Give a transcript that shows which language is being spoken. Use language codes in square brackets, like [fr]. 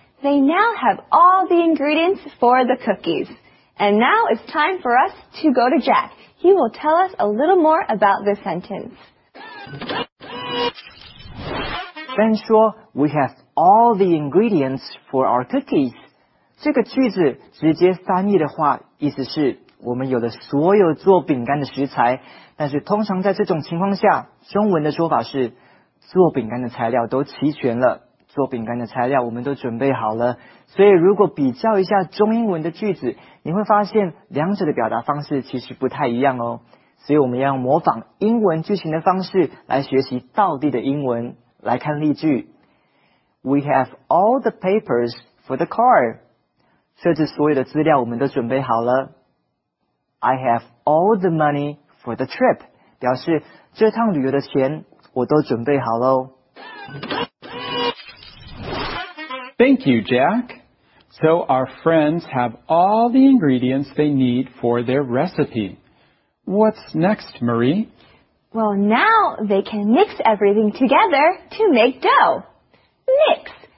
[en] They now have all the ingredients for the cookies. And now it's time for us to go to Jack. He will tell us a little more about this sentence. Ben 说 ,we have all the ingredients for our cookies. [zh] 这个句子直接翻译的话意思是我们有了所有做饼干的食材，但是通常在这种情况下，中文的说法是做饼干的材料都齐全了，做饼干的材料我们都准备好了。所以如果比较一下中英文的句子，你会发现两者的表达方式其实不太一样哦。所以我们要用模仿英文句型的方式来学习道地的英文。来看例句 [en] ,We have all the papers for the car. [zh] 设置所有的资料我们都准备好了。 [en] I have all the money for the trip. [zh] 表示这趟旅游的钱我都准备好了。 [en] Thank you, Jack. So our friends have all the ingredients they need for their recipe. What's next, Marie? Well, now they can mix everything together to make dough. Mix.